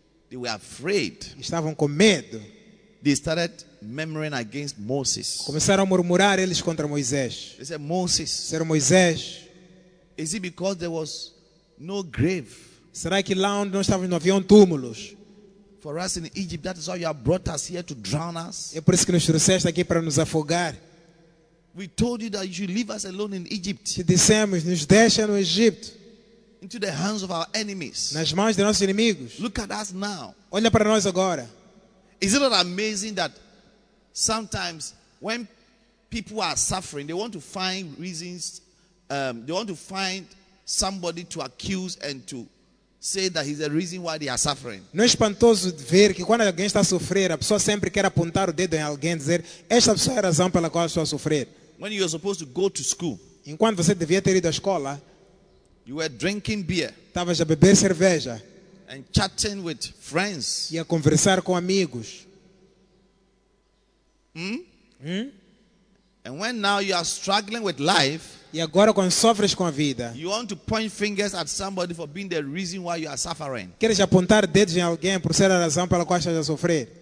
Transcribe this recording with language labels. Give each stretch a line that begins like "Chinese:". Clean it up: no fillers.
English: They were afraid.
Portuguese: Estavam com medo.
English: They started murmuring against Moses.
Portuguese: Começaram a murmurar eles contra Moisés.
English: They said, Moses.
Portuguese: Será Moisés?
English: Is it because there was no grave?
Portuguese: Será que lá onde nós estávamos não havia túmulos?
English: For us in Egypt, that is why you have brought us here to drown us.
Portuguese: É por isso que nos trouxeste aqui para nos afogar.
English: We told you that you should leave us alone in Egypt.
Portuguese: Te dissemos, nos deixa no Egito.
English: Into the hands of our enemies.
Portuguese: Nas mãos de nossos inimigos.
English: Look at us now.
Portuguese: Olha para nós agora.
English: Is it not amazing that sometimes when people are suffering, they want to find reasons, they want to find somebody to accuse and to say that he's the reason why they are suffering.
Portuguese: Não é espantoso ver que quando alguém está a sofrer, a pessoa sempre quer apontar o dedo em alguém e dizer, esta pessoa é a razão pela qual estou a sofrer.
English: When you are supposed to go to school.
Portuguese: Enquanto você devia ter ido à escola.
English: You were drinking beer.
Portuguese: Estavas a beber cerveja.
English: And chatting with friends.
Portuguese: E a conversar com amigos.
English: And when now you are struggling with life.
Portuguese: E agora quando sofres com a vida.
English: You want to point fingers at somebody for being the reason why you are suffering.
Portuguese: Queres apontar dedos em alguém por ser a razão pela qual estás a sofrer.